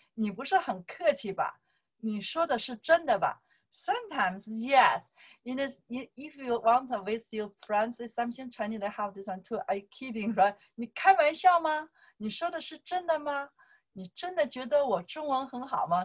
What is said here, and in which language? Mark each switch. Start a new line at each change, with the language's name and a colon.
Chinese: 你不是很客气吧？你说的是真的吧？
English: Sometimes, yes. In this, if you want to visit your friends, something Chinese, they have this one too. Are you kidding, right?
Chinese: 你开玩笑吗？你说的是真的吗？你真的觉得我中文很好吗？